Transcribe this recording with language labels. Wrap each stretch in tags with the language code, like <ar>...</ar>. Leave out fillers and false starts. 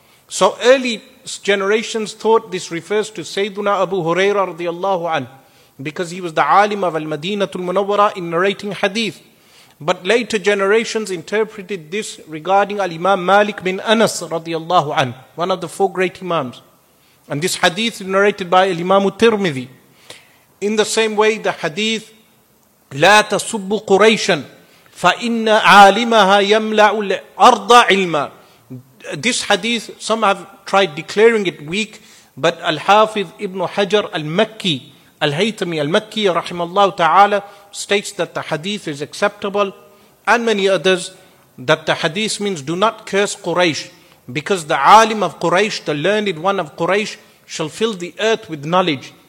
<en>So early generations thought this refers to Sayyiduna Abu Huraira radiallahu anh, because he was the alim of Al-Madinatu Al-Munawwara in narrating hadith. But later generations interpreted this regarding Al-Imam Malik bin Anas radiallahu anhu, one of the four great imams. And this hadith is narrated by Al-Imam al-Tirmidhi. In the same way, the hadith,</en> <ar>لا تسب قريشا فإن عالمها يملع الأرض علما.</ar> <en>This hadith, some have tried declaring it weak, but Al-Hafiz ibn Hajar al-Makki, Al-Haytami al-Makki rahimahullah ta'ala, states that the hadith is acceptable, and many others, that the hadith means do not curse Quraysh, because the alim of Quraysh, the learned one of Quraysh, shall fill the earth with knowledge.</en>